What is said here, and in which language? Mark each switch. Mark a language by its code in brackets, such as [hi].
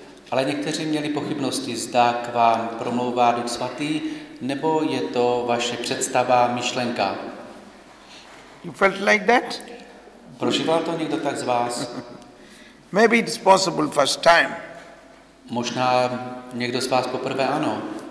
[cs] Ale někteří měli pochybnosti, zda k vám promlouvá Duch Svatý, nebo je to vaše představa, myšlenka. [en] You felt like that? [cs] Prožíval to někdo tak z vás? [en] Maybe it's possible first time. [cs] Možná někdo z vás poprvé ano.